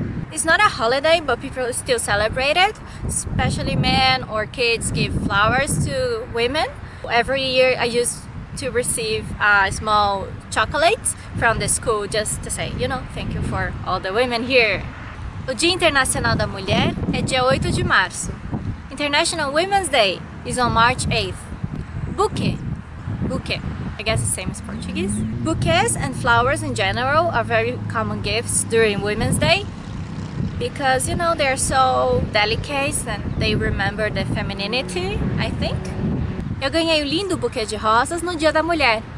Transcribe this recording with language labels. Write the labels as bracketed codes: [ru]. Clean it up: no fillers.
[en] It's not a holiday, but people still celebrate it. Especially men or kids give flowers to women. Every year I used to receive a small chocolate from the school just to say, you know, thank you for all the women here. [pt] O Dia Internacional da Mulher é dia 8 de março. [en] International Women's Day is on March 8th. Bouquet. Bouquet. I guess the same as Portuguese. Bouquets and flowers in general are very common gifts during Women's Day because, you know, they're so delicate and they remember the femininity, I think. [pt] Eu ganhei um lindo buquê de rosas no Dia da Mulher.